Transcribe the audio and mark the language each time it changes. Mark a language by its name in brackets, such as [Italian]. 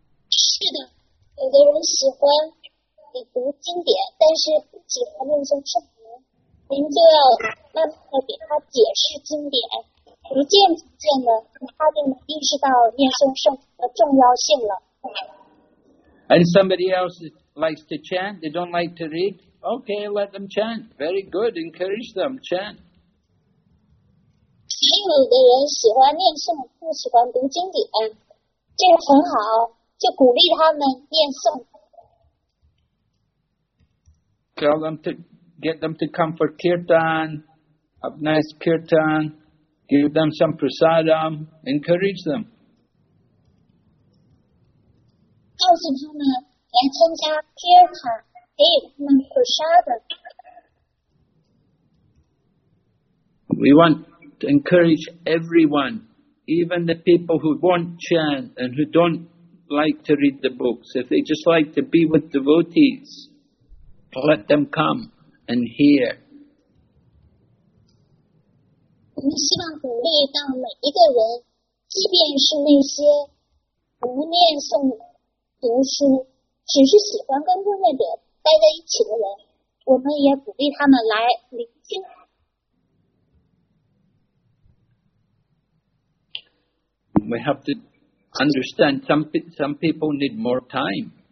[Chinese] 是的，有的人喜欢读经典，但是不喜欢念诵圣名。您就要慢慢地给他解释经典，逐渐的他就能意识到念诵圣名的重要性了。 [English] And somebody else likes to chant, they don't like to read. Okay, let them chant. Very good, encourage them, chant. [Chinese] 还有的人喜欢念诵，不喜欢读经典，这个很好，就鼓励他们念诵。 [English] Tell them to... Get them to come for kirtan, have nice kirtan, give them some prasadam, encourage them. [Chinese] 告诉他们来参加 kirtan, 给他们 prasadam. [English] We want to encourage everyone even the people who want chant and who don't like to read the books, if they just like to be with devotees, let them come and hear. [Chinese] 我们希望鼓励到每一个人，即便是那些不念诵读书，只是喜欢跟部落者待在一起的人，我们也鼓励他们来聆听。 [English] We have to understand some people need more time.